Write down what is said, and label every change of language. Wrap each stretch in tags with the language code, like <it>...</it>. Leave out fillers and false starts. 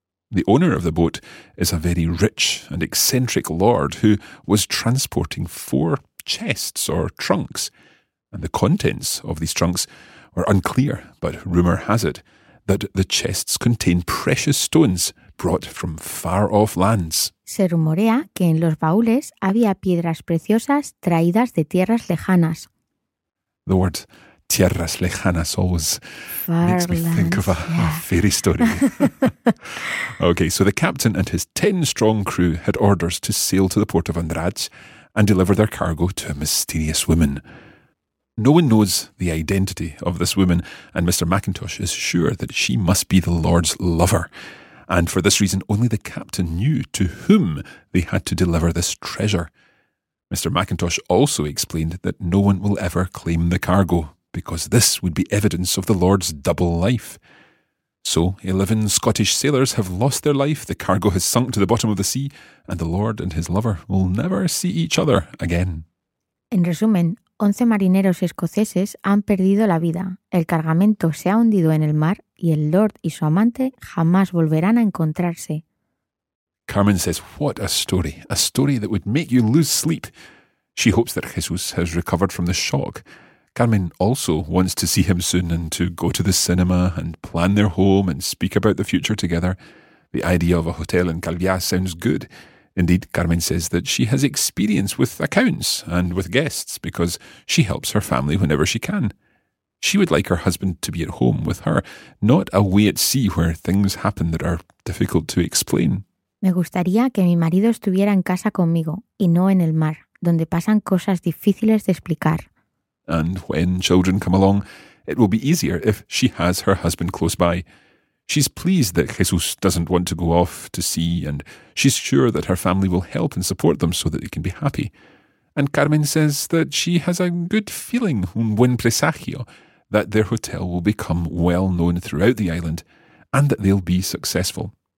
<en>The owner of the boat is a very rich and eccentric lord who was transporting four chests or trunks. And the contents of these trunks were unclear, but rumour has it that the chests contain precious stones brought from far off lands.</en> <es>Se rumorea que en los baúles había piedras preciosas traídas de tierras lejanas.</es> <en>The word</en> <es>tierras lejanas</es> <en>always makes me think of a fairy story. Okay, so the captain and his 10 strong crew had orders to sail to the port of Andrade and deliver their cargo to a mysterious woman. No one knows the identity of this woman, and Mr. McIntosh is sure that she must be the Lord's lover. And for this reason, only the captain knew to whom they had to deliver this treasure. Mr. McIntosh also explained that no one will ever claim the cargo, because this would be evidence of the Lord's double life. So, 11 Scottish sailors have lost their life, the cargo has sunk to the bottom of the sea, and the Lord and his lover will never see each other again.</en> <es>En resumen, 11 marineros escoceses han perdido la vida, el cargamento se ha hundido en el mar y el Lord y su amante jamás volverán a encontrarse.</es> <en>Carmen says, what a story that would make you lose sleep. She hopes that Jesús has recovered from the shock. Carmen also wants to see him soon and to go to the cinema and plan their home and speak about the future together. The idea of a hotel in Calviá sounds good. Indeed, Carmen says that she has experience with accounts and with guests because she helps her family whenever she can. She would like her husband to be at home with her, not away at sea where things happen that are difficult to explain.</en> <es>Me gustaría que mi marido estuviera en casa conmigo y no en el mar, donde pasan cosas difíciles de explicar.</es> <en>And when children come along, it will be easier if she has her husband close by. She's pleased that Jesús doesn't want to go off to sea, and she's sure that her family will help and support them so that they can be happy. And Carmen says that she has a good feeling,</en> <es>un buen presagio,</es> <en>that their hotel will become well known throughout the island and that they'll be successful.</en>